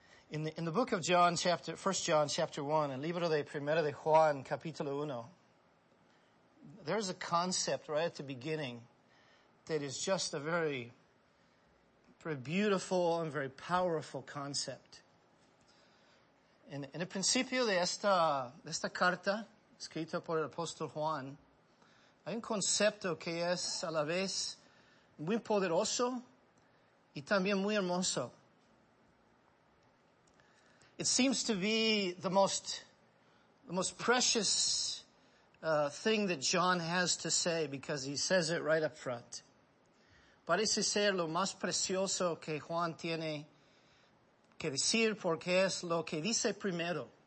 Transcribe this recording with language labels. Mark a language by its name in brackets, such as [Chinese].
[English] In the book of John, chapter 1 John chapter 1, [Spanish] en libro de Primera de Juan capítulo 1, [English] there's a concept right at the beginning that is just a very, very beautiful and very powerful concept. [Spanish] En el principio de esta carta, escrita por el apóstol Juan, hay un concepto que es a la vez muy poderoso y también muy hermoso. [English] It seems to be the most precious thing that John has to say, because he says it right up front. [Spanish] Parece ser lo más precioso que Juan tiene que decir, porque es lo que dice primero.